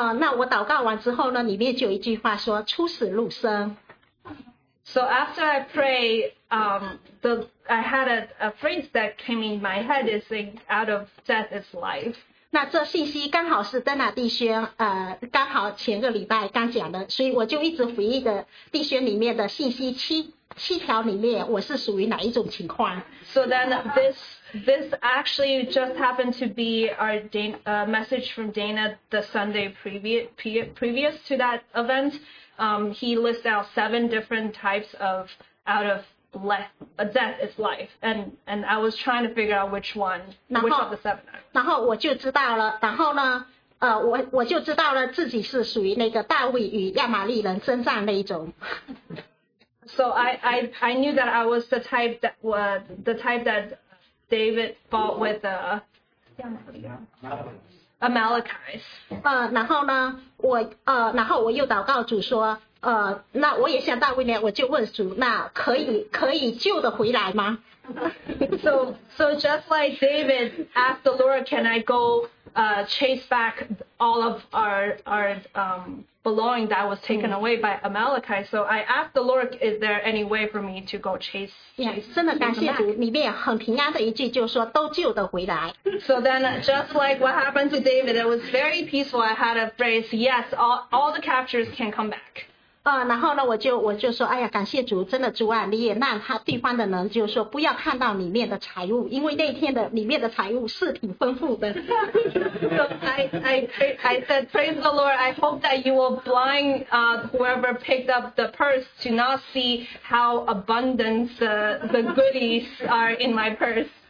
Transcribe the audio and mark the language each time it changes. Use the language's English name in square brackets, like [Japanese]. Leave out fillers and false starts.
[Chinese] 那我祷告完之后呢，里面就有一句话说出死入生。 [English] So after I pray, I had a phrase that came in my head is saying, out of death is life. [Chinese] 那这信息刚好是邓娜弟兄刚好前个礼拜刚讲的，所以我就一直回忆的弟兄里面的信息七条里面我是属于哪一种情况。 [English] So then this actually just happened to be our message from Dana the Sunday previous to that event. He lists out seven different types of out of death is life, and I was trying to figure out which of the seven. [Chinese] 然后我就知道了，然后呢，我就知道了自己是属于那个大卫与亚玛力人征战那一种。 [English] So I knew that I was the type that David fought with the Amalekites. [Chinese] 然后呢，然后我又祷告主说。那我也想到未来，我就问主，那可以救得回来吗 [English] ？So just like David asked the Lord, can I go chase back all of our belonging that was taken away by Amalekite. So I asked the Lord, is there any way for me to go chase them back? So then just like what happened to David, it was very peaceful. I had a phrase, yes, all the captures can come back. [Chinese] 然后呢，我就说，哎呀，感谢主，真的主啊，你也让他对方的人就说不要看到里面的财物，因为那一天的里面的财物是挺丰富的。So [English] I said, praise the Lord, I hope that you will blind whoever picked up the purse to not see how abundant the goodies are in my purse.